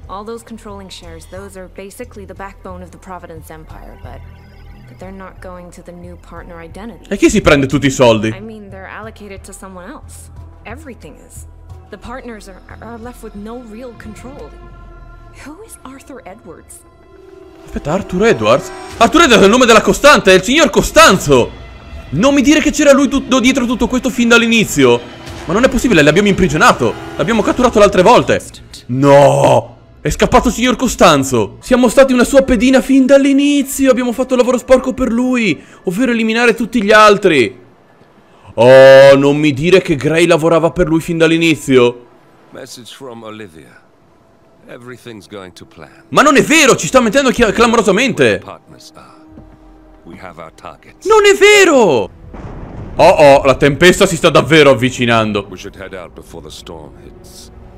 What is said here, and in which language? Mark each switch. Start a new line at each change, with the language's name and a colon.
English: All those controlling shares, those are basically the backbone of the Providence Empire, but they're not going to the new partner identity.
Italian: E chi si prende tutti i soldi?
English: I mean, they're allocated to someone else. Everything is. The partners are left with no real control. Who is Arthur Edwards? Aspetta, Arthur Edwards?
Italian: Arthur Edwards è il nome della costante, è il signor Costanzo! Non mi dire che c'era lui dietro tutto questo fin dall'inizio! Ma non è possibile, l'abbiamo imprigionato! L'abbiamo catturato le altre volte! No! È scappato il signor Costanzo. Siamo stati una sua pedina fin dall'inizio. Abbiamo fatto il lavoro sporco per lui, ovvero eliminare tutti gli altri. Oh, non mi dire che Gray lavorava per lui fin dall'inizio.
English: Message from Olivia. Everything's going to plan.
Italian: Ma non è vero, ci sta mettendo clamorosamente.
English: We have our targets.
Italian: Non è vero. Oh oh, la tempesta si sta davvero avvicinando.
English: We should head out before the storm hits.